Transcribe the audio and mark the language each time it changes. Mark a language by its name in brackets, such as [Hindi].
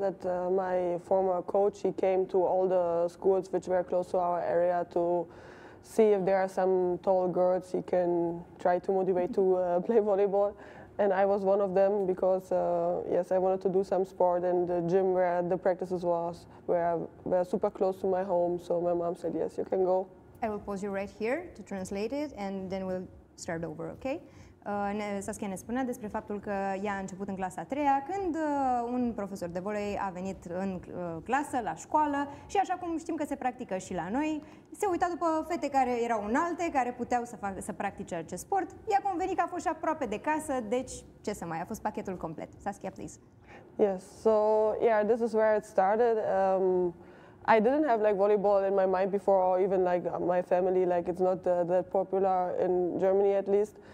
[English] That my former coach, he came to all the schools which were close to our area to see if there are some tall girls he can try to motivate to play volleyball. And I was one of them because, yes, I wanted to do some sport, and the gym where the practices was were super close to my home. So my mom said, yes, you can go. I will pause you right here to translate it and then we'll start over, okay? [Romanian] Saskia ne spunea despre faptul că ea a început în clasa a treia când un profesor de volei a venit în clasă, la școală, și așa cum știm că se practică și la noi, se uita după fete care erau înalte, care puteau să practice acest sport. I-a convenit că a fost și aproape de casă, deci ce să mai, a fost pachetul complet. [English] Saskia, please. Yes, so yeah, this is where it started. I didn't have like volleyball in my mind before, or even like my family, like it's not that popular in Germany at least.